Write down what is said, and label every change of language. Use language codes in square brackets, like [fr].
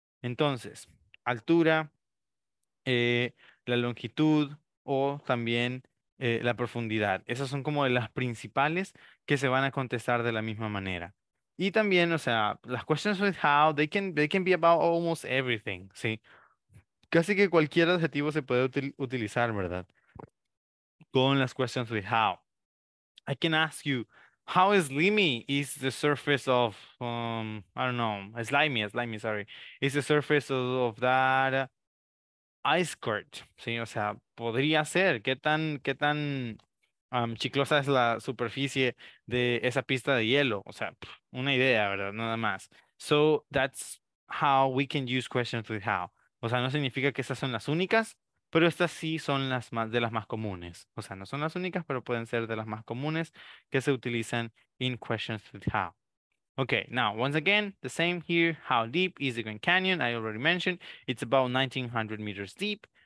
[es] Entonces, altura, la longitud o también la profundidad. Esas son como de las principales que se van a contestar de la misma manera. Y también, o sea, las [en] questions with how, they can be about almost everything, ¿sí? [es] Casi que cualquier adjetivo se puede utilizar, ¿verdad? Con las questions with how. [en] I can ask you, how slimy is the surface of, is the surface of that ice court, [es] ¿sí? O sea, podría ser, ¿qué tan chiclosa es la superficie de esa pista de hielo? O sea, una idea, ¿verdad? Nada más. [en] So, that's how we can use questions with how. [es] O sea, no significa que esas son las únicas, pero estas sí son las más, de las más comunes. O sea, no son las únicas, pero pueden ser de las más comunes que se utilizan in questions with how. [en] Okay, now, once again, the same here. How deep is the Grand Canyon? I already mentioned it's about 1,900 meters deep.